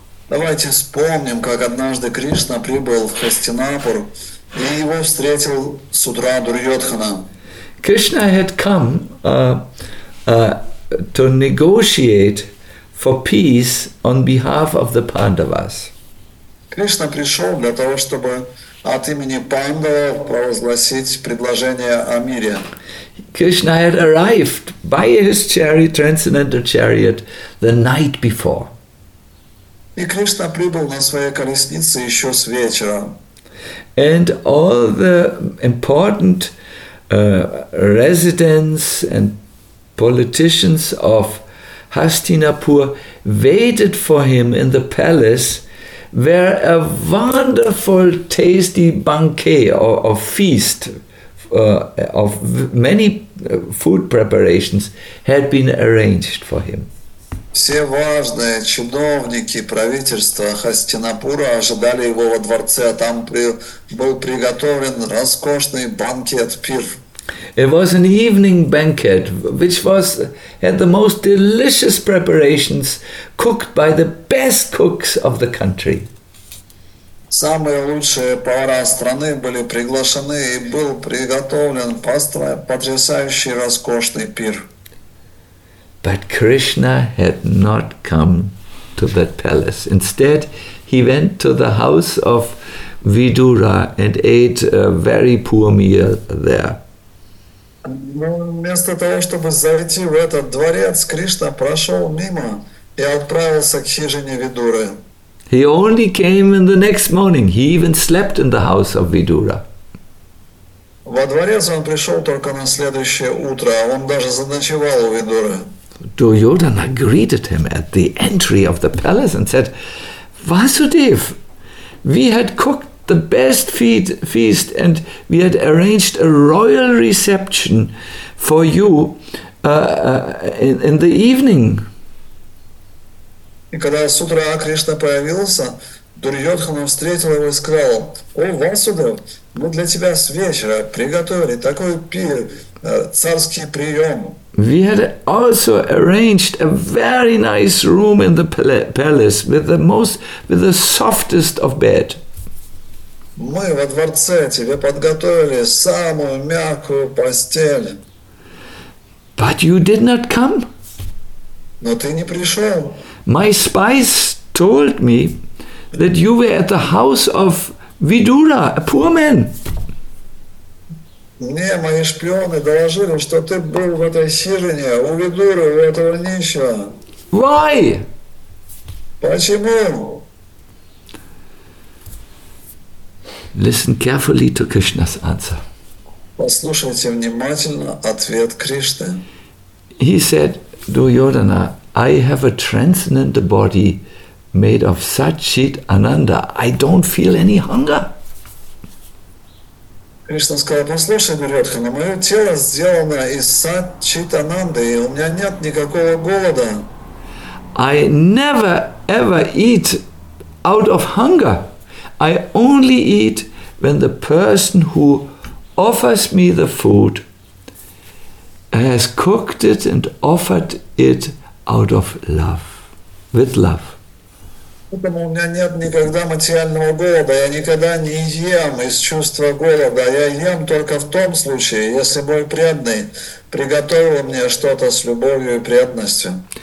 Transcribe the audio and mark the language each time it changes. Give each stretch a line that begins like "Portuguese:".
Russian: Давайте вспомним, как однажды Кришна прибыл в Хастинапур и его встретил с утра Дурьодхана.
English: Krishna had come to negotiate for peace on behalf of the Pandavas.
Russian: Кришна пришел для того, чтобы от имени Пандавов провозгласить предложение о мире.
English: Krishna had arrived by his chariot, transcendental chariot, the night before.
Russian: И Кришна прибыл на своей колеснице еще с вечера.
English: And all the important residents and politicians of Hastinapur waited for him in the palace, where a wonderful, tasty banquet or feast of many food preparations had been arranged for him.
Russian: Все важные чиновники правительства Хастинапура ожидали его во дворце, а там был приготовлен роскошный банкет, пир.
English: It was an evening banquet, which was had the most delicious preparations cooked by the best cooks of the country.
Russian: Самые лучшие повара страны были приглашены, и был приготовлен потрясающий роскошный пир.
English: But Krishna had not come to that palace. Instead, he went to the house of Vidura and ate a very poor meal there.
Russian: Вместо того, чтобы зайти в этот дворец, Кришна прошел мимо и отправился к хижине Видуры.
English: He only came in the next morning. He even slept in the house of Vidura.
Russian: Во дворец он пришел только на следующее утро. Он даже заночевал у Видуры.
English: Duryodhana greeted him at the entry of the palace and said, Vasudev, we had cooked the best feast and we had arranged a royal reception for you in the evening.
Russian: И когда с утра Кришна появился, Дурьодхана встретил его и сказал, О, Васудев, мы для тебя с вечера приготовили такой пир, царский прием.
English: We had also arranged a very nice room in the palace with the softest of bed.
Russian: Мы во дворце тебе подготовили самую мягкую постель.
English: But you did not come.
Russian: Но ты не пришел.
English: My spies told me that you were at the house of Vidura, a poor man.
Russian: Мне мои шпионы доложили, что ты был в этой хижине у Видуры, у этого нищего.
English: Why?
Russian: Почему?
English: Listen carefully to Krishna's answer.
Russian: Послушайте внимательно ответ Кришны.
English: He said, Duryodhana, I have a transcendental body made of Satchit Ananda. I don't feel any hunger.
Russian: Кришна сказал, послушай, Дурьодхана, мое тело сделано из сат-чит-ананды, и у меня нет никакого голода.
English: I never ever eat out of hunger. I only eat when the person who offers me the food has cooked it and offered it out of love, with love.
Russian: Поэтому у меня нет никогда материального голода, я никогда не ем из чувства голода, я ем только в том случае, если мой преданный приготовил мне что-то с любовью и преданностью.